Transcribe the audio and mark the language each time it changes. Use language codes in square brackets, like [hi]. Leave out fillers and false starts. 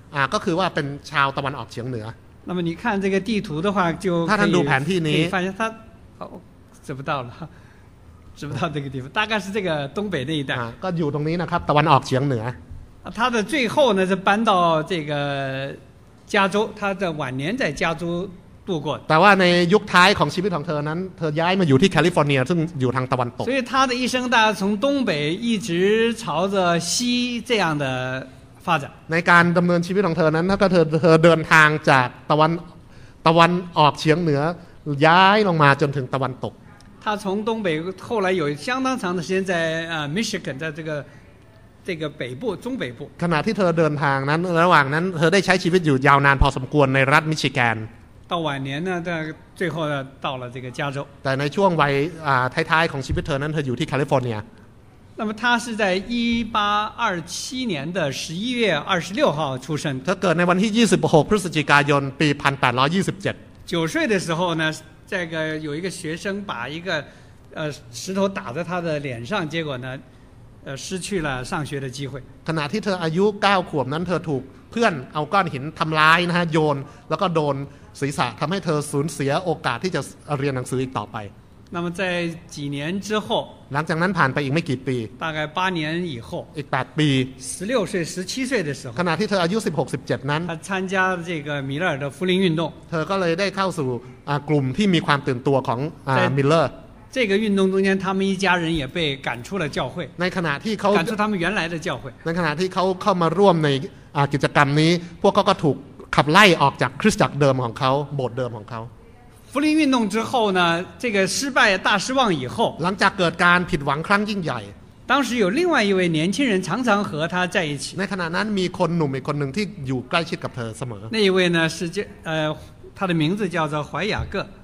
[th] ก็คือว่าเป็นชาวตะวันออกเฉียงเหนือ [zh] 那么你看这个地图的话就 [th] ถ้าท่านดูแผนที่นี้ [zh] 可以发现他找不到了知不到这个地方，大概是这个东北那一带。 [th] ก็อยู่ตรงนี้นะครับตะวันออกเฉียงเหนือ [zh] 他的最后呢是搬到这个加州，他的晚年在加州度过。 [th] แต่ว่าในยุคท้ายของชีวิตของเธอนั้นเธอย้ายมาอยู่ที่แคลิฟอร์เนียซึ่งอยู่ทางตะวันตก [zh] 所以他的一生大概从东北一直朝着西这样的发展。 [th] ในการดำเนินชีวิตของเธอนั้นถ้าเธอเดินทางจากตะวันออกเฉียงเหนือย้ายลงมาจนถึงตะวันตก [zh] 他从东北后来有相当长的时间在Michigan 在这个北部中北部 [th] ขณะที่เธอเดินทางนั้นระหว่างนั้นเธอได้ใช้ชีวิตอยู่ยาวนานพอสมควรในรัฐมิชิแกน [zh] 到晚年呢在最后呢到了这个加州 [th] แต่ในช่วงวัยท้ายๆของชีวิตเธอนั้นเธออยู่ที่แคลิฟอร์เนีย [zh] 那么他是在1827年的11月26号出生 [th] เธอเกิดในวันที่26พฤศจิกายนปี1827 [zh] 9岁的时候呢这个有一个学生把一个石头打在他的脸上结果呢失去了上学的机会 [th] ขณะที่เธออายุ9ขวบนั้นเธอถูกเพื่อนเอาก้อนหินทำร้ายนะฮะโยนแล้วก็โดนศีรษะทำให้เธอสูญเสียโอกาสที่จะเรียนหนังสืออีกต่อไป [zh] 那么在几年之后 [th] หลังจากนั้นผ่านไปอีกไม่กี่ปี [zh] 大概8年以后 [th] อีก8ปี [zh] 16岁17岁的时候 [th] ขณะที่เธออายุ16 17นั้น [zh] 他参加这个米勒尔的福林运动 [th] เธอก็เลยได้เข้าสู่กลุ่มที่มีความตื่นตัวของมิลเลอร์ [zh] 这个运动中间他们一家人也被赶出了教会 [th] ในขณะที่เขา [zh] 赶出他们原来的教会 [th] ในขณะที่เขาเข้ามาร่วมในกิจกรรมนี้พวกเขาก็ถูกขับไล่ออกจากคริสตจักรเดิมของเขาโบสถ์เดิมของเขา [zh] ฟูลิง运动之后呢这个失败大失望以后 [th] หลังจากเกิดการผิดหวังครั้งยิ่งใหญ่ [zh] 当时有另外一位年轻人常常和他在一起 [th] ในขณะนั้นมีคนหนุ่มอีกคนหนึ่งที่อยู่ใกล้ชิดกับเธอเสมอ [zh] 那一位呢是他的名字叫做怀雅各